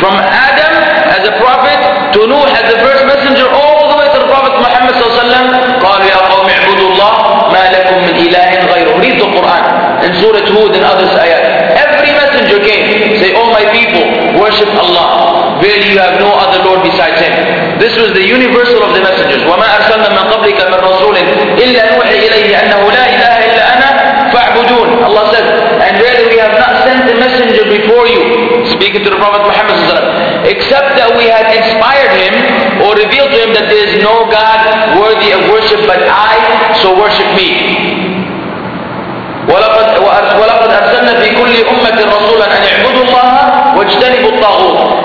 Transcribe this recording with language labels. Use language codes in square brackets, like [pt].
[en] From Adam as a prophet to Nuh as the first messenger, all the way to the Prophet Muhammad sallallahu alaihi wasallam, [ar] قال يا قوم اعبدوا الله ما لكم من إله غيره. [en] Read the Quran in Surah Hud and other ayat. Every messenger came, say, oh my people, worship Allah. Verily you have no other Lord besides Him. This was the universal of the messengers. [ar] وما أرسلنا من قبلك من رسول إلا نوحي إليه أنه لا إله إلا أنا فاعبدون. [en] Allah says, and verily we have not sent the messenger before you, speaking to the Prophet Muhammad, except that we had inspired him or revealed to him that there is no God worthy of worship but I, so worship me. [ar] وَلَقَدْ أَرْسَلْنَا فِي كُلِّ أُمَّةٍ رَسُولًا أَنْ اعْبُدُوا اللَّهَ وَاجْتَنِبُوا الطَّاغُوتَ.